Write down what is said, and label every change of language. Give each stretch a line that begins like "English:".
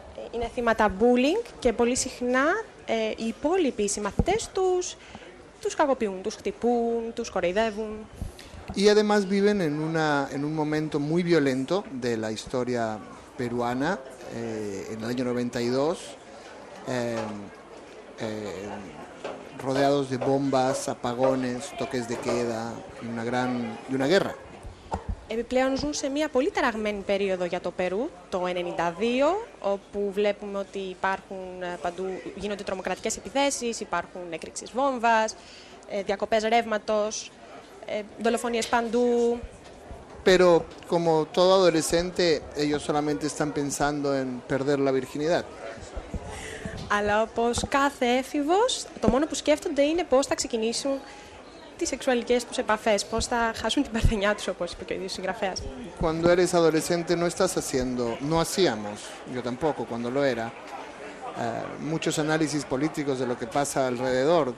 Greek: είναι θύματα bullying και πολύ συχνά οι υπόλοιποι, οι μαθητές τους, τους κακοποιούν, τους χτυπούν, τους κοροϊδεύουν.
Spanish: Y además viven en una en un momento muy violento de la historia peruana en el año 92 rodeados de bombas, apagones, toques de queda y una gran y una guerra.
Greek: Επιπλέον ζουν σε μια πολύ ταραγμένη περίοδο για το Περού, το 92, όπου βλέπουμε ότι υπάρχουν παντού, γίνονται τρομοκρατικές επιθέσεις, υπάρχουν εκρήξεις βόμβας, διακοπές ρεύματος, δολοφονίες παντού.
Spanish: Pero como todo adolescente, ellos solamente están pensando en perder la virginidad.
Greek: Αλλά όπως κάθε έφηβος, το μόνο που σκέφτονται είναι πώς θα ξεκινήσουν τις σεξουαλικές τους επαφές, πώς θα χάσουν την παρθενιά τους, όπως είπε και ο ίδιος συγγραφέας.
Spanish: Cuando eres adolescente no estás haciendo, no hacíamos, yo tampoco cuando lo era, muchos análisis políticos de lo que pasa alrededor.